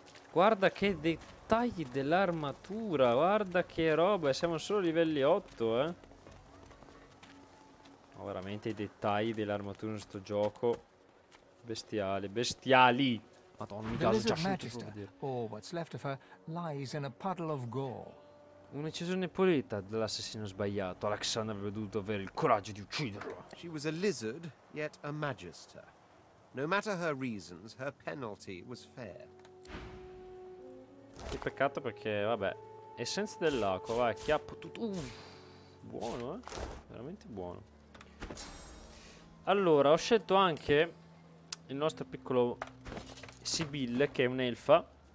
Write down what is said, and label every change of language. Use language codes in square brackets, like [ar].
[it] Guarda che dettagli dell'armatura. Guarda che roba. Siamo solo livelli 8, eh. Ho veramente i dettagli dell'armatura in sto gioco. Bestiali, bestiali. Madonna, mi dà già subito. [en] Oh, what's left of her lies in a puddle of gore. [it] Un'eccisione pulita dell'assassino sbagliato. Alexander avrebbe dovuto avere il coraggio di ucciderlo. [en] She was a lizard, yet a magister. No matter her reasons, her penalty was fair. [it] Che peccato, perché vabbè. Essenza dell'acqua, vai, chiappo tutto. Buono, eh? Veramente buono. Allora, ho scelto anche il nostro piccolo Sibylle, che è un'elfa.